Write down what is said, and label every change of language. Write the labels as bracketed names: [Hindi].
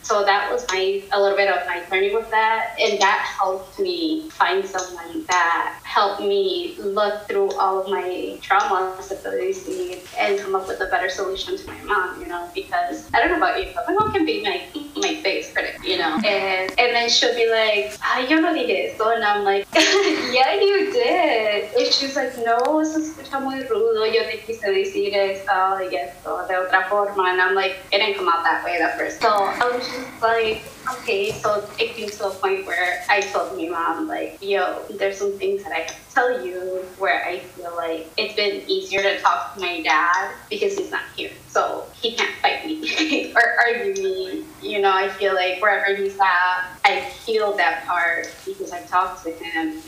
[English] So that was my, a little bit of my journey with that. And that helped me find someone that helped me look through all of my trauma, disabilities, and come up with a better solution to my mom, you know, because I don't know about you, but my mom can be my face critic, you know, and then she'll be like, [Spanish] ah, yo no dije eso. [English] And I'm like, yeah, you did. And she's like, [Spanish] no, eso está muy rudo. Yo te quise decir eso, y eso de otra forma. [English] And I'm like, it didn't come out that way at first. So I was just like, okay, so it came to a point where I told my mom, like, yo, there's some things that I have to tell you where I feel like it's been easier to talk to my dad because he's not here. So he can't fight me or argue me. You know, I feel like wherever he's at, I healed that part because I talked to him.